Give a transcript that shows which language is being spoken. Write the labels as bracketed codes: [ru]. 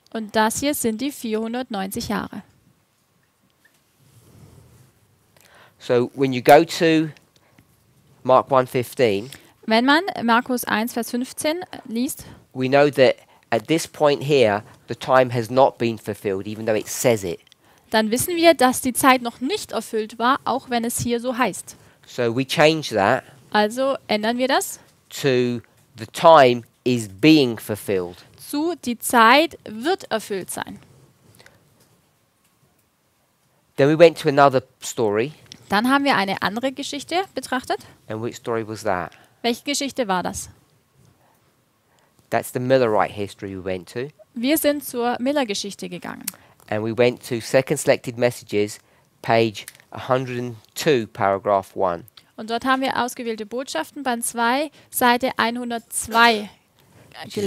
[de] Und das hier sind die 490 Jahre. [en] So when you go to Mark 1:15, [de] wenn man Markus 1 Vers 15 liest, [en] we know that at this point here the time has not been fulfilled even though it says it. [de] Dann wissen wir, dass die Zeit noch nicht erfüllt war, auch wenn es hier so heißt. [en] So we change that. [de] Also ändern wir das. [en] To the time is being fulfilled. [de] Zu die Zeit wird erfüllt sein. [en] Then we went to another story. [de] Dann haben wir eine andere Geschichte betrachtet. [en] And which story was that? [de] Welche Geschichte war das? [en] That's the Millerite history we went to. [de] Wir sind zur Miller-Geschichte gegangen. [en] And we went to Second Selected Messages, page 102, paragraph 1. [de] Und dort haben wir ausgewählte Botschaften, Band 2, Seite 102 gelesen.